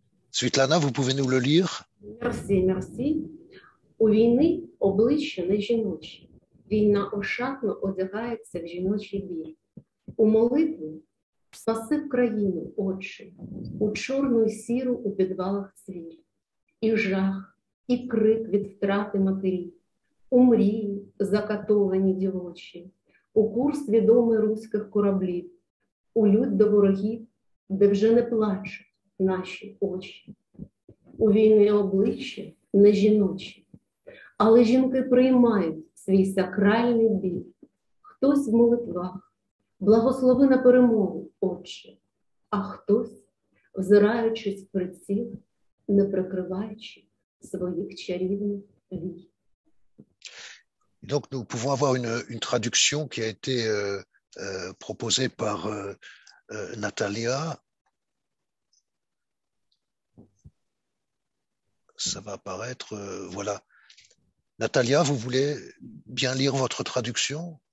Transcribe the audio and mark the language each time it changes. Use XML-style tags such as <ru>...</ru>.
<fr>Svitlana, vous pouvez nous le lire? Merci, merci.</fr> <uk>У війни обличчя не жіноче. Війна ошатно одягається в жіночий біль. У молитві спаси в країну, отче, у чорну і сіру у підвалах цвіль, і жах, і крик від втрати матері, у мрії закатовані дівочі, у курс відомий руських кораблів, у лють до ворогів, де вже не плачуть наші очі. У війни обличчя не жіночі, але жінки приймають свій сакральний біль. Хтось в молитвах благослови на перемогу, отче, а хтось, взираючись при ціл, не прикриваючи своїх чарівних вій.</uk> <fr>Donc, nous pouvons avoir une traduction qui a été proposée par Natalia. Ça va apparaître. Voilà. Natalia, vous voulez bien lire votre traduction?</fr>